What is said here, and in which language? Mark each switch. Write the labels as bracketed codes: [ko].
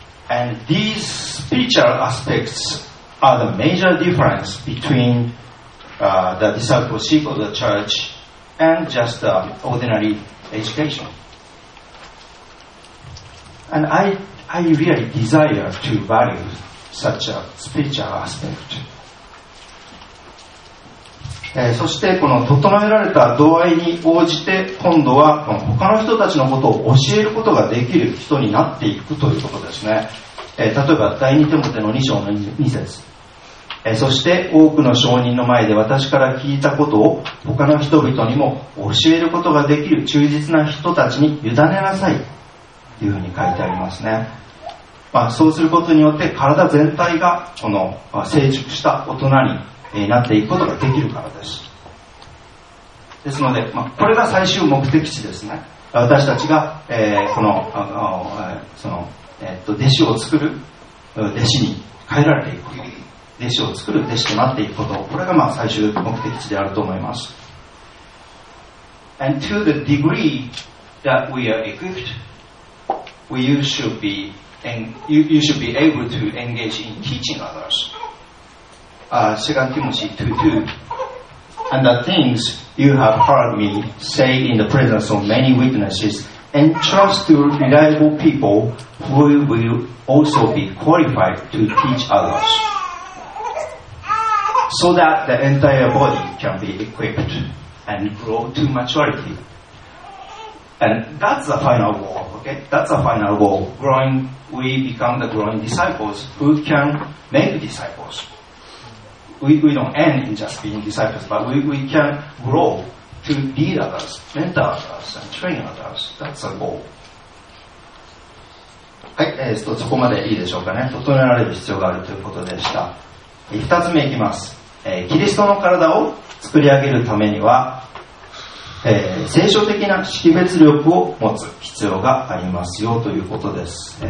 [en] And these spiritual aspects are the major difference between the discipleship of the church and just the ordinary education. And I really desire to value such a spiritual aspect. [ja] そしてこの整えられた度合いに応じて今度はこの他の人たちのことを教えることができる人になっていくということですね。例えば第2テモテの2章の2節、そして多くの証人の前で私から聞いたことを他の人々にも教えることができる忠実な人たちに委ねなさいというふうに書いてありますね。そうすることによって体全体がこの成熟した大人になっていくことができるからです。ですので、これが最終目的地ですね。私たちが、弟子を作る弟子に変えられていく、弟子を作る弟子となっていくこと、これが最終目的地であると思います。 [en] And to the degree that we are equipped you should be able to engage in teaching others2 Timothy 2:2 And the things you have heard me say in the presence of many witnesses, entrust to reliable people who will also be qualified to teach others, so that the entire body can be equipped and grow to maturity. And that's the final goal, okay? That's the final goal. Growing, we become the growing disciples who can make disciples. We don't end in just being disciples, but we can grow to lead others, mentor others, and train others. That's a goal. [ja] はい、そこまでいいでしょうかね。整えられる必要があるということでした。 2つ目いきます。キリストの体を作り上げるためには、聖書的な識別力を持つ必要がありますよということです。